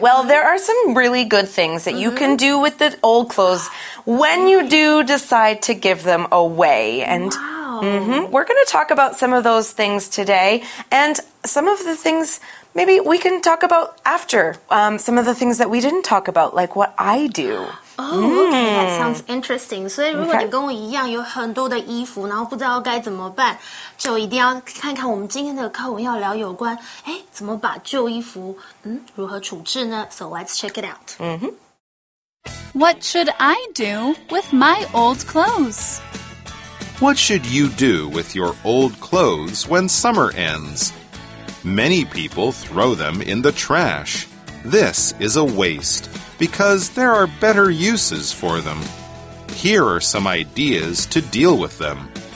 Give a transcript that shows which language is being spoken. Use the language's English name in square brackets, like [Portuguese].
[English] Well, there are some really good things that you can do with the old clothes when you do decide to give them away. And we're going to talk about some of those things today. And some of the things maybe we can talk about after. Some of the things that we didn't talk about, like what I do. Okay, that sounds interesting. [Chinese] 所以如果你跟我一样有很多的衣服，然后不知道该怎么办，就一定要看看我们今天的课文要聊有关，哎，怎么把旧衣服，如何处置呢？ [English] So let's check it out. What should I do with my old clothes? What should you do with your old clothes when summer ends? Many people throw them in the trash. This is a waste. Because there are better uses for them. Here are some ideas to deal with them.